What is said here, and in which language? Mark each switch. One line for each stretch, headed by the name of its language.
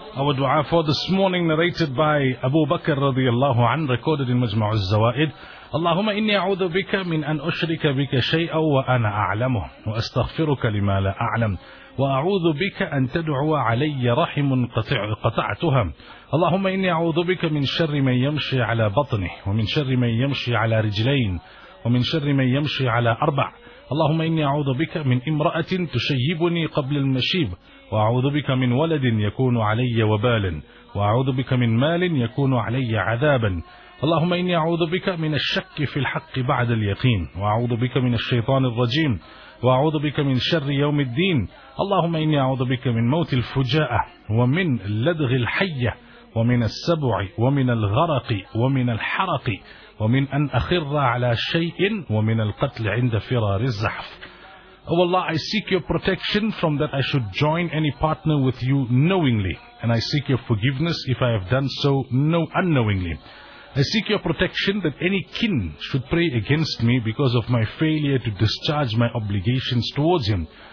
English: our dua for this morning, narrated by Abu Bakr radiallahu anhu, recorded in Majmu' al-Zawaid.
Arabic: اللهم إني أعوذ بك من أن أشرك بك شيئا وأنا أعلمه وأستغفرك لما لا أعلم وأعوذ بك أن تدعو علي رحم قطعتها. اللهم إني أعوذ بك من شر من يمشي على بطنه ومن شر من يمشي على رجلين ومن شر من يمشي على أربع. اللهم إني أعوذ بك من امرأة تشيبني قبل المشيب وأعوذ بك من ولد يكون علي وبالا وأعوذ بك من مال يكون علي عذابا. اللهم إني أعوذ بك من الشك في الحق بعد اليقين وأعوذ بك من الشيطان الرجيم وأعوذ بك من شر يوم الدين. اللهم إني أعوذ بك من موت الفجاءة ومن لدغ الحية ومن السبع ومن الغرق ومن الحرق ومن أن أخر على شيء ومن القتل عند فرار الزحف.
English: Oh Allah, I seek your protection from that I should join any partner with you knowingly, and I seek your forgiveness if I have done so unknowingly. I seek your protection that any kin should pray against me because of my failure to discharge my obligations towards him.